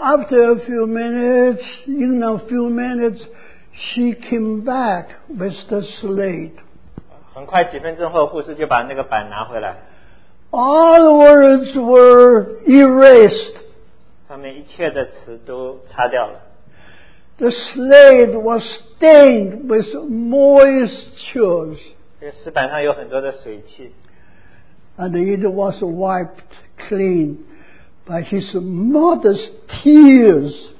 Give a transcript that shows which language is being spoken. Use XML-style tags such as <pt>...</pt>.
<en>After a few minutes, she came back with the slate.</en> <zh>很快几分钟后, 护士就把那个板拿回来。</zh> <en>All the words were erased.</en> <zh>上面一切的词都擦掉了。</zh> <en>The slate was stained with moisture.</en> <zh>这个石板上有很多的水汽。</zh> <en>And it was wiped clean by his mother's tears.</en>